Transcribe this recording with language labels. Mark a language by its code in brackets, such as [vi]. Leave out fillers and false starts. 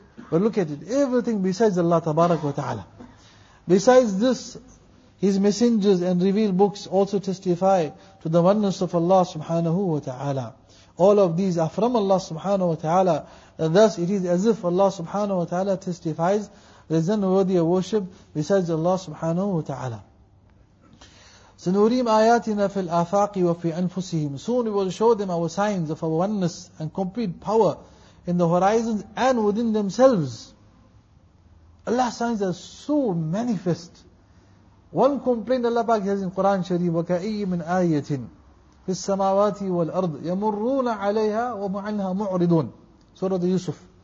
[en] But look at it, everything besides Allah tabarak wa ta'ala. Besides this, His messengers and revealed books also testify to the oneness of Allah subhanahu wa ta'ala. All of these are from Allah subhanahu wa ta'ala. And thus it is as if Allah subhanahu wa ta'ala testifies there is none worthy of worship besides Allah subhanahu wa ta'ala. [ar] سنوريم آياتنا في الآفاق وفي أنفسهم. [en] Soon we will show them our signs of our oneness and complete power in the horizons and within themselves. Allah's signs are so manifest. One complaint Allah Pak has in Quran Sharif, [ar] وَكَأَيِّ مِنْ آيَةٍ فِي السَّمَاوَاتِ وَالْأَرْضِ يَمُرُّونَ عَلَيْهَا وَمُعَنْهَا مُعْرِضُونَ [en] Surah Yusuf.